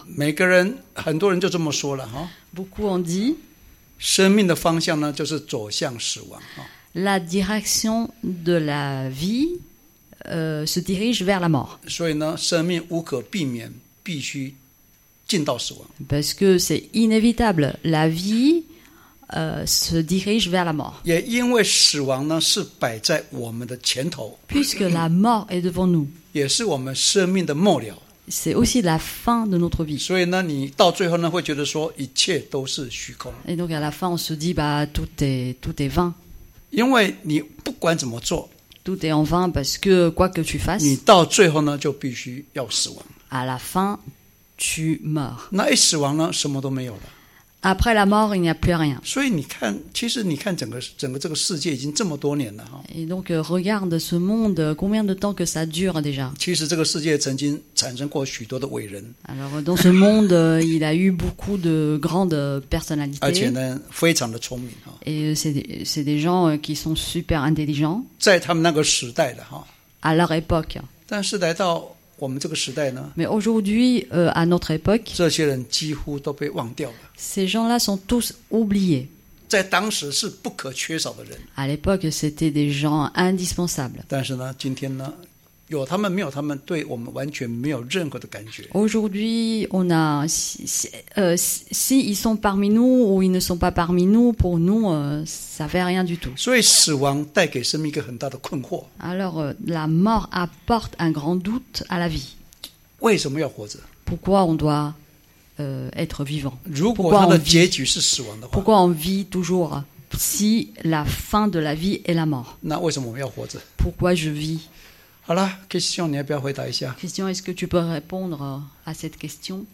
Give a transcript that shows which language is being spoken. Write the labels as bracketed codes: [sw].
[zh] 每个人，很多人就这么说了哈。 [fr] Beaucoup ont dit. [zh] 生命的方向呢，就是走向死亡。 [fr] La direction de la vie. Se dirige vers la mort. [zh] 所以呢，生命无可避免，必须进到死亡。 [fr] Parce que c'est inévitable, la vie se dirige vers la mort. [zh] 也因为死亡呢是摆在我们的前头。 [fr] Puisque la mort est devant nous. [zh] 也是我们生命的末了。 [fr] C'est aussi la fin de notre vie. [zh] 所以呢，你到最后呢会觉得说一切都是虚空。 [fr] Et donc à la fin, on se dit bah tout est vain. [zh] 因为你不管怎么做。 [fr] Tout est en vain parce que quoi que tu fasses, [zh] 你到最后呢就必须要死亡。 [fr] À la fin, tu meurs. [zh] 那一死亡呢，什么都没有了。 [fr] Après la mort, il n'y a plus rien. [zh] 所以你看，其实你看整个这个世界已经这么多年了。 [fr] Et donc, regarde ce monde, combien de temps que ça dure déjà? [zh] 其实这个世界曾经产生过许多的伟人。 [fr] Alors, dans ce monde, il a eu beaucoup de grandes personnalités. [zh] 而且呢，非常的聪明。 [fr] Et c'est des gens qui sont super intelligents. [zh] 在他们那个时代的。 [fr] À leur époque. [zh] 但是来到我们这个时代呢， [fr] Mais aujourd'hui, à notre époque, [zh] 这些人几乎都被忘掉了。 [fr] Ces gens-là sont tous oubliés. [zh] 在当时是不可缺少的人。 [fr] À l'époque, c'était des gens indispensables. [zh] 但是呢，今天呢，有他们没有他们，对我们完全没有任何的感觉。 [fr] Aujourd'hui, on a si ils sont parmi nous ou ils ne sont pas parmi nous, pour nous, ça fait rien du tout. [zh] 所以死亡带给生命一个很大的困惑。 [fr] Alors, la mort apporte un grand doute à la vie. [zh] 为什么要活着？ [fr] Pourquoi on doit être vivant? [zh] 如果他的结局是死亡的话， [fr] Pourquoi on vit toujours si la fin de la vie est la mort? [zh] 那为什么我们要活着？ [fr] Pourquoi je vis? [zh] 好了 ，Christian， 你要不要回答一下 [fr] ？Christian， est-ce que tu peux répondre à cette question？